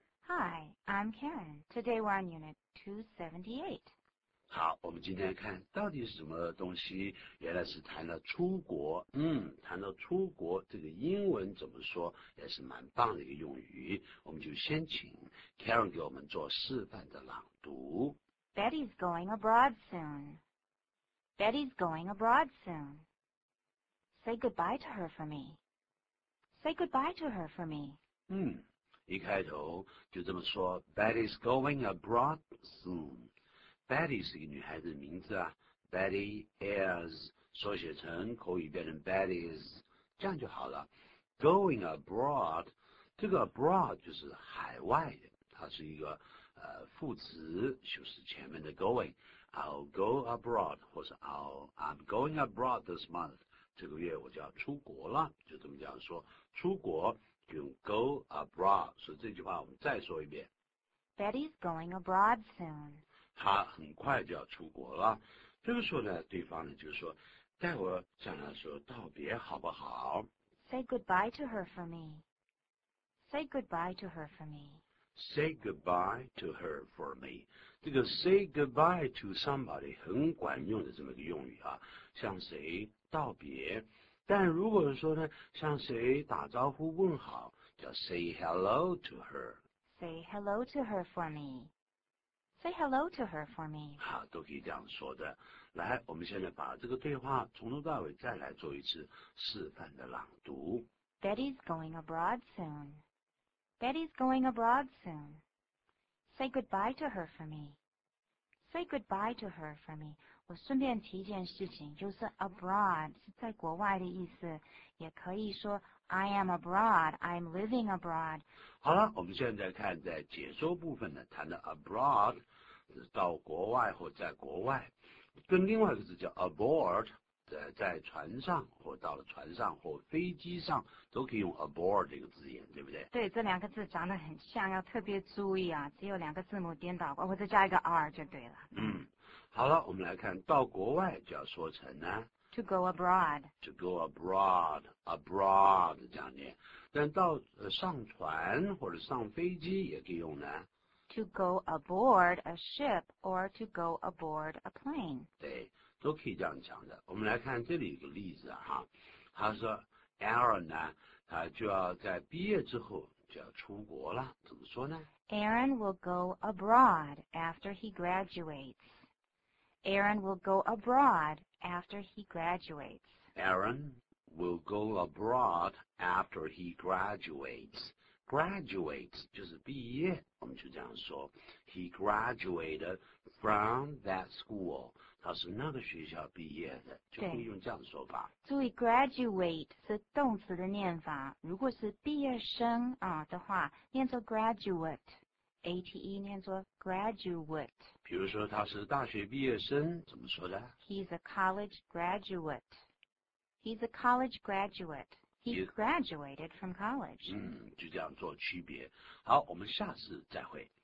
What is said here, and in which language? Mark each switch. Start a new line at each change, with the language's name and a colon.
English: Hi, I'm Karen. Today we're on Unit 278.
Chinese: 好，我们今天看到底是什么东西，原来是谈了出国。谈到出国，这个英文怎么说也是蛮棒的一个用语。我们就先请 Karen 给我们做示范的朗读。
English: Betty's going abroad soon. Betty's going abroad soon. Say goodbye to her for me. Say goodbye to her for me.
Chinese: 一开头就这么说
English: Betty's going abroad soon.
Chinese: Betty 是一个女孩子的名字啊 ,
English: Betty is,
Chinese: 缩写成口语变成 Betty's, 这样就好了。 Going abroad, 这个 abroad 就是海外的，它是一个副词，就是前面的 going,
English: I'll go abroad,
Chinese: 或是
English: I'm going abroad this month,
Chinese: 这个月我就要出国了，就这么讲说，出国就用
English: go abroad,
Chinese: 所以这句话我们再说一遍。
English: Betty's going abroad soon.
Chinese: 他很快就要出国了，这个时候呢，对方呢就说，待会向他说道别好不好
English: ？Say goodbye to her for me. Say goodbye to her for me. Say goodbye to her for me.
Chinese: 这个
English: say goodbye to somebody
Chinese: 很管用的这么一个用语啊，向谁道别？但如果说呢，向谁打招呼问好，叫
English: say hello to her. Say hello to her for me. Say hello to her for me.
Chinese: 好，都可以这样说的。来，我们现在把这个对话从头到尾再来做一次示范的朗读。
English: Betty's going abroad soon. Betty's going abroad soon. Say goodbye to her for me. Say goodbye to her for me.
Chinese: 我顺便提一件事情，就是 abroad 是在国外的意思，也可以说
English: I am abroad, I'm living abroad.
Chinese: 好了，我们现在看在解说部分呢，谈的 abroad 是到国外或在国外，跟另外一个字叫 aboard 在船上或到了船上或飞机上都可以用 aboard 这个字眼，对不对？对，这两个字长得很像，要特别注意啊，只有两个字母颠倒过，或者加一个 r 就对了。好了，我们来看到国外就要说成呢
English: To go abroad. To go abroad, abroad
Chinese: 这样念。但到上船或者上飞机也可以用呢。
English: To go aboard a ship or to go aboard a plane.
Chinese: 对，都可以这样讲的。我们来看这里一个例子哈，他说 Aaron 呢，他就要在毕业之后就要出国了，怎么说呢
English: ？Aaron will go abroad after he graduates. Aaron will go abroad after he graduates. Aaron will go abroad after he graduates.
Chinese: Graduates 就是毕业，我们就这样说。
English: He graduated from that school.
Chinese: 他是那个学校毕业的，就可以用这样的说法。注意 graduate 是动词的念法，如果是毕业生啊的话，念作 graduate。
English: A-T-E
Chinese: 念作
English: graduate
Chinese: 比如说他是大学毕业生怎么说的
English: He's a college graduate He's a college graduate He graduated from college
Chinese: 就这样做区别好我们下次再会